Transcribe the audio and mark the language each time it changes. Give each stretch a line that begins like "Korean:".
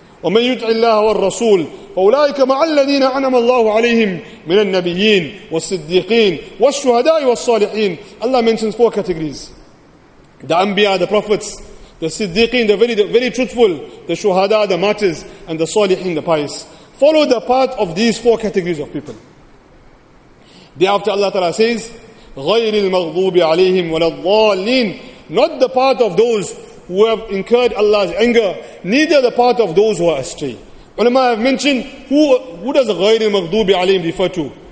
Arabic: وَمَنْ يُتْعِ اللَّهَ وَالرَّسُولِ فَأُولَٰئِكَ مَعَ الَّذِينَ عَنَمَ اللَّهُ عَلَيْهِمْ مِنَ النَّبِيِّينَ وَالصِّدِّيقِينَ وَالشُّهَدَاءِ وَالصَّالِحِينَ.
English: Allah mentions four categories. The Anbiya, the prophets, the Siddiqeen, the very truthful, the Shuhada, the martyrs, and the Salihin, the pious. Follow the path of these four categories of people. Thereafter Allah Ta'ala says,
Arabic: غَيْرِ الْمَغْضُوبِ عَلَيْهِمْ وَلَا الضَّالِينَ.
English: Not the part of those who have incurred Allah's anger, neither the part of those who are astray. Ulama have mentioned, who does
Arabic: غَيْرِ الْمَغْضُوبِ عَلَيْهِمْ
English: refer to?